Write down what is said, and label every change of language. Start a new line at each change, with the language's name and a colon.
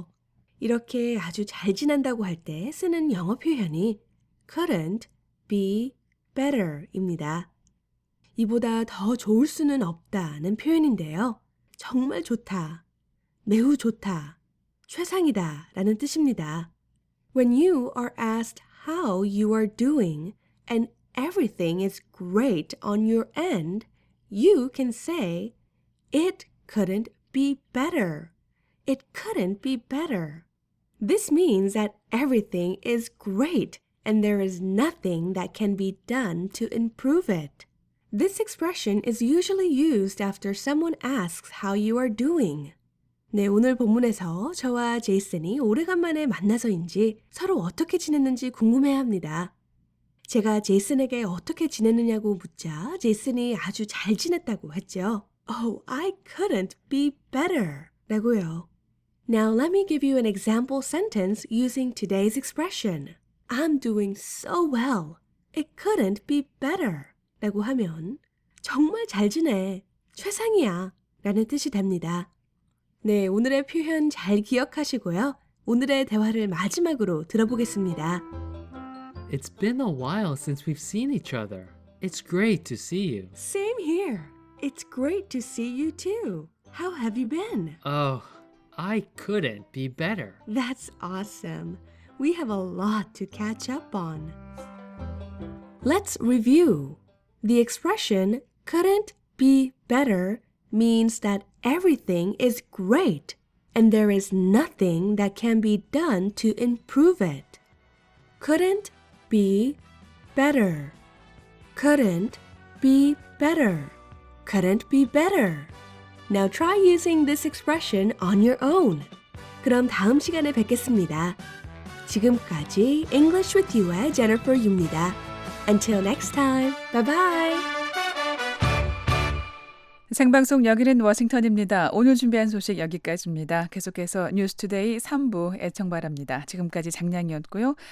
Korean: 이렇게 아주 잘 지낸다고 할 때 쓰는 영어 표현이
English: couldn't be better
Korean: 입니다. 이보다 더 좋을 수는 없다는 표현인데요. 정말 좋다, 매우 좋다, 최상이다 라는 뜻입니다.
English: When you are asked how you are doing and everything is great on your end, you can say it couldn't be better. It couldn't be better. This means that everything is great and there is nothing that can be done to improve it. This expression is usually used after someone asks how you are doing.
Korean: 네, 오늘 본문에서 저와 제이슨이 오래간만에 만나서인지 서로 어떻게 지냈는지 궁금해합니다. 제가 제이슨에게 어떻게 지내느냐고 묻자 제이슨이 아주 잘 지냈다고 했죠.
English: Oh, I couldn't be better. 라고요. Now let me give you an example sentence using today's expression. I'm doing so well. It couldn't be better.
Korean: 라고 하면 정말 잘 지내, 최상이야 라는 뜻이 됩니다. 네, 오늘의 표현 잘 기억하시고요. 오늘의 대화를 마지막으로 들어보겠습니다.
English: It's been a while since we've seen each other. It's great to see you. Same here. It's great to see you too. How have you been? Oh, I couldn't be better. That's awesome. We have a lot to catch up on. Let's review. The expression couldn't be better means that everything is great and there is nothing that can be done to improve it. Couldn't be better. Couldn't be better. Couldn't be better. Now try using this expression on your own.
Korean: 그럼 다음 시간에 뵙겠습니다. 지금까지 English with You의 Jennifer입니다.
English: Until next time, bye-bye.
Korean: 생방송 여기는 워싱턴입니다. 오늘 준비한 소식 여기까지입니다. 계속해서 뉴스투데이 3부 애청바랍니다. 지금까지 장량이었고요.